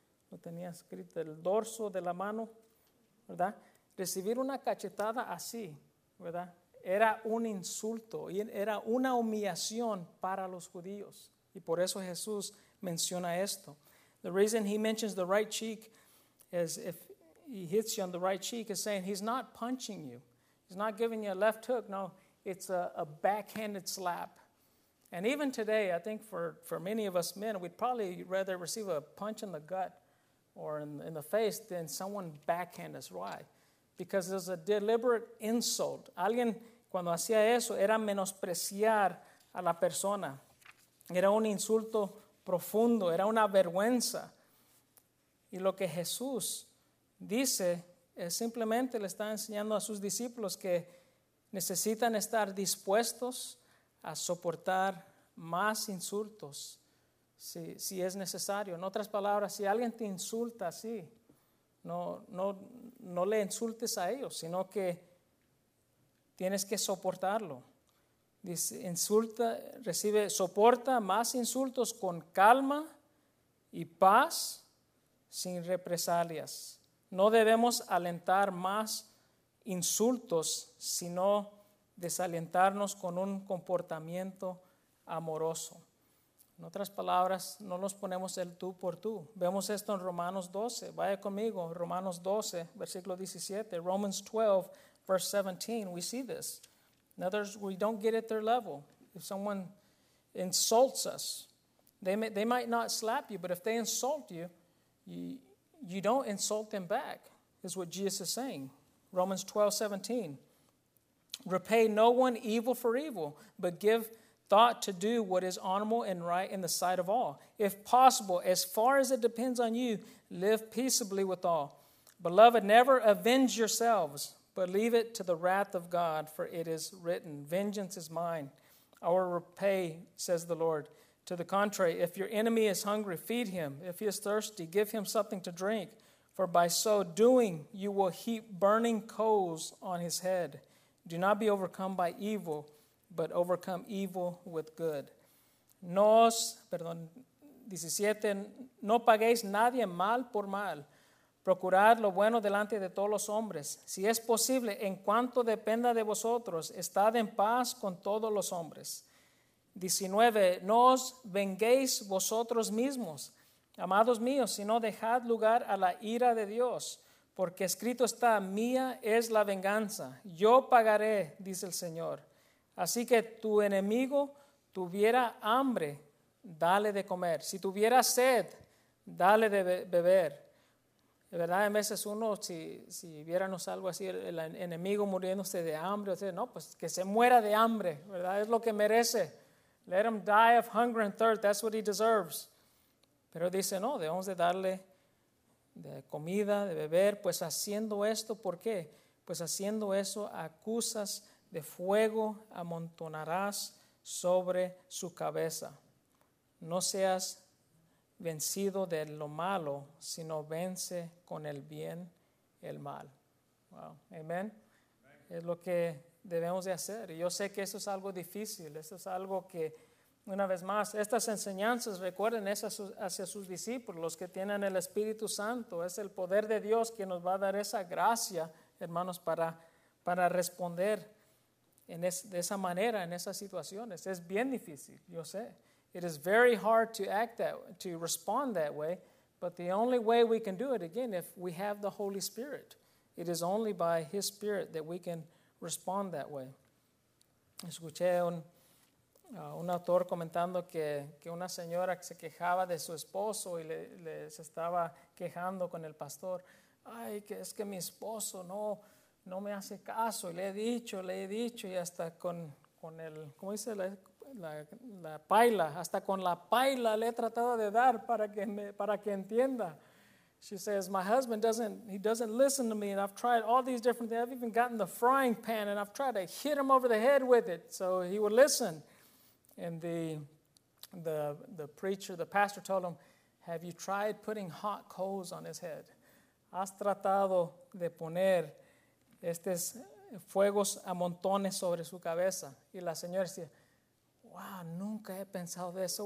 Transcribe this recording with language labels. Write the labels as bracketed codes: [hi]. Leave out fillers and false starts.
[es] Lo tenía escrito, el dorso de la mano, ¿verdad? Recibir una cachetada así, ¿verdad? Era un insulto, y era una humillación para los judíos. Y por eso Jesús menciona esto. [en] The reason he mentions the right cheek is if he hits you on the right cheek, is saying he's not punching you. He's not giving you a left hook. No, it's a backhanded slap. And even today, I think for many of us men, we'd probably rather receive a punch in the gut or in the face than someone backhand us. Why? Because there's a deliberate insult. [es] Alguien, cuando hacía eso, era menospreciar a la persona. Era un insulto profundo, era una vergüenza. Y lo que Jesús dice es simplemente le está enseñando a sus discípulos que necesitan estar dispuestos a soportar más insultos si es necesario. En otras palabras, si alguien te insulta así, no le insultes a ellos, sino que tienes que soportarlo. Dice, insulta, recibe, soporta más insultos con calma y paz sin represalias. No debemos alentar más insultos, sino desalentarnos con un comportamiento amoroso. En otras palabras, no nos ponemos el tú por tú. Vemos esto en Romanos 12. Vaya conmigo, Romanos 12, versículo 17. [en] Romans 12, verse 17, we see this. In other words, we don't get at their level. If someone insults us, they might not slap you, but if they insult you, you don't insult them back, is what Jesus is saying. Romans 12, 17. Repay no one evil for evil, but give thought to do what is honorable and right in the sight of all. If possible, as far as it depends on you, live peaceably with all. Beloved, never avenge yourselves, but leave it to the wrath of God, for it is written, vengeance is mine, I will repay, says the Lord. To the contrary, if your enemy is hungry, feed him. If he is thirsty, give him something to drink. For by so doing, you will heap burning coals on his head. Do not be overcome by evil, but overcome evil with good. [es] Nos, perdón, 17, no paguéis nadie mal por mal. Procurad lo bueno delante de todos los hombres. Si es posible, en cuanto dependa de vosotros, estad en paz con todos los hombres. 19, no os venguéis vosotros mismos, amados míos, sino dejad lugar a la ira de Dios, porque escrito está, mía es la venganza, yo pagaré, dice el Señor. Así que tu enemigo tuviera hambre, dale de comer. Si tuviera sed, dale de beber. De verdad, a veces uno, si viéramos algo así, el enemigo muriéndose de hambre, o sea, no, pues que se muera de hambre, ¿verdad? Es lo que merece. [en] Let him die of hunger and thirst, that's what he deserves. [es] Pero dice, no, debemos de darle de comida, de beber, pues haciendo esto, ¿por qué? Pues haciendo eso, acusas de fuego amontonarás sobre su cabeza. No seas vencido de lo malo, sino vence con el bien el mal. Wow. Amén. Es lo que debemos de hacer. Y yo sé que eso es algo difícil. Eso es algo que, una vez más, estas enseñanzas, recuerden, es hacia sus discípulos, los que tienen el Espíritu Santo. Es el poder de Dios que nos va a dar esa gracia, hermanos, para responder de esa manera, en esas situaciones. Es bien difícil, yo sé. [en] It is very hard to respond that way, but the only way we can do it, again, if we have the Holy Spirit, it is only by His Spirit that we can respond that way. [es] Escuché un autor comentando que una señora se quejaba de su esposo y les estaba quejando con el pastor. Ay, que es que mi esposo no me hace caso. Y le he dicho, y hasta con el, ¿cómo dice la? La paila, hasta con la paila le he tratado de dar para que entienda. [en] She says, my husband doesn't listen to me, and I've tried all these different things. I've even gotten the frying pan, and I've tried to hit him over the head with it so he would listen. And the preacher, the pastor told him, have you tried putting hot coals on his head? [es] ¿Has tratado de poner estos fuegos a montones sobre su cabeza? Y la señora decía, wow, nunca he pensado de eso.